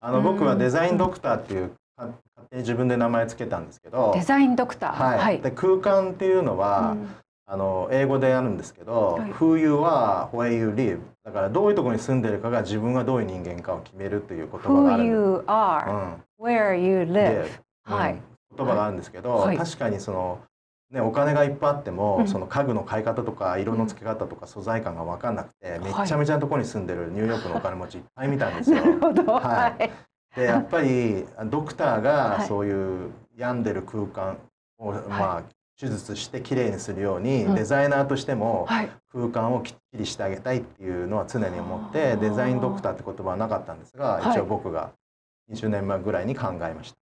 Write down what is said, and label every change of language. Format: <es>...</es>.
<ja>僕はデザインドクターっていう勝手に自分で名前つけたんですけど、デザインドクター、はいはい、で空間っていうのは、うん、英語であるんですけど、はい、</ja> <en>Who you are, where you live、</en> <ja>だからどういうところに住んでるかが自分がどういう人間かを決めるという言葉がある。</ja> <en>Who you are,、うん、where you live、 はい、</en> <ja>うん、言葉があるんですけど、はい、確かにそのね、お金がいっぱいあっても、うん、その家具の買い方とか色の付け方とか素材感が分かんなくて、うん、めちゃめちゃなところに住んでるニューヨークのお金持ちいっぱい見たんですよ。なるほど、はい、でやっぱりドクターがそういう病んでる空間を、はい、まあ、手術してきれいにするように、はい、デザイナーとしても空間をきっちりしてあげたいっていうのは常に思って、はい、デザインドクターって言葉はなかったんですが、はい、一応僕が20年前ぐらいに考えました。</ja>